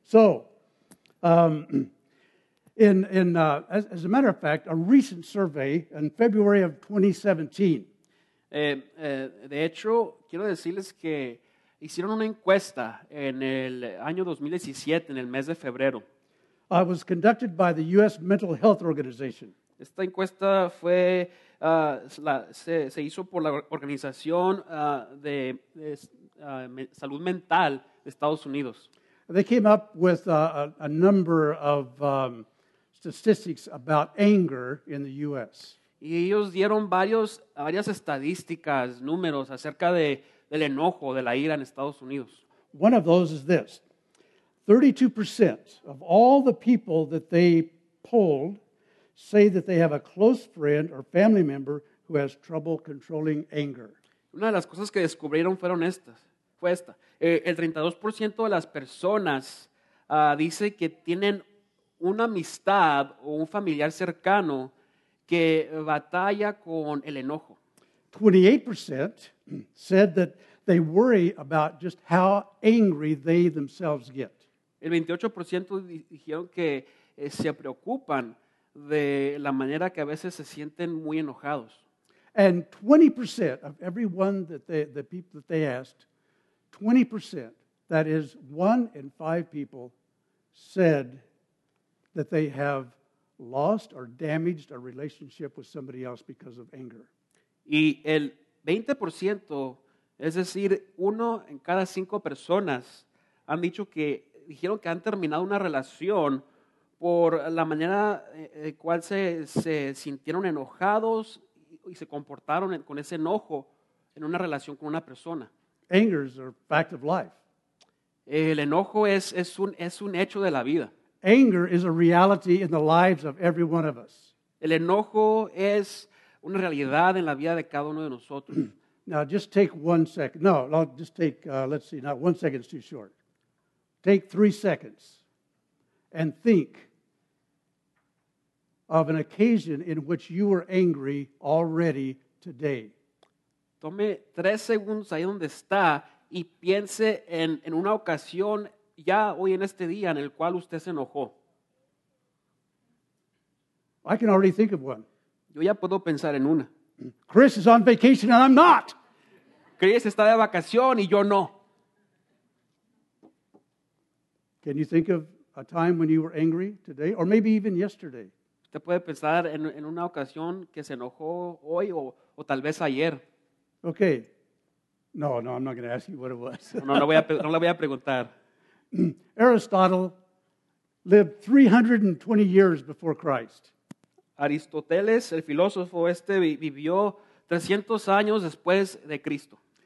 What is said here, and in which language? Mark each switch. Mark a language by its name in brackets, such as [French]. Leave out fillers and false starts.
[English] So, as a matter of fact, a recent survey in February of 2017. [Spanish] De hecho, quiero decirles que hicieron una encuesta en el año 2017, en el mes de febrero. [English] It was conducted by the U.S. Mental Health Organization. [Spanish] Esta encuesta fue se hizo por la organización de salud mental de Estados Unidos. [English] They came up with a number of statistics about anger in the U.S. [Spanish] Y ellos dieron varias estadísticas, números acerca del enojo, de la ira en Estados Unidos. [English] One of those is this: 32% of all the people that they polled say that they have a close friend or family member who has trouble controlling anger. [Spanish] Una de las cosas que descubrieron fue esta. El 32% de las personas dice que tienen una amistad o un familiar cercano que batalla con el enojo. [English] 28% said that they worry about just how angry they themselves get. [Spanish] El 28% dijeron que se preocupan de la manera que a veces se sienten muy enojados. [English] And 20% of everyone the people that they asked, 20%, that is one in five people, said that they have lost or damaged a relationship with somebody else because of anger. [Spanish] Y el 20%, es decir, uno en cada cinco personas, han dijeron que han terminado una relación por la manera en cual se sintieron enojados y se comportaron con ese enojo en una relación con una persona. [English] Anger is a fact of life. [Spanish] El enojo es un hecho de la vida. [English] Anger is a reality in the lives of every one of us. [Spanish] El enojo es una realidad en la vida de cada uno de nosotros. [English] Now just take one second. No, I'll just take, let's see, not one second is too short. Take 3 seconds. And think of an occasion in which you were angry already today. [Spanish] Tome 3 segundos ahí donde está y piense en una ocasión ya hoy en este día en el cual usted se enojó. [English] I can already think of one. [Spanish] Yo ya puedo pensar en una. [English] Chris is on vacation and I'm not. [Spanish] Chris está de vacación y yo no. [English] Can you think of a time when you were angry today, or maybe even yesterday? [Spanish] Te puede pensar en una ocasión que se enojó hoy o tal vez ayer. [English] Okay. No, no, I'm not going to ask you what it was. [Spanish] No, no, no voy a preguntar. [English] Aristotle lived 320 years before Christ. [Spanish] Aristóteles, el filósofo este, vivió 300 años después de Cristo.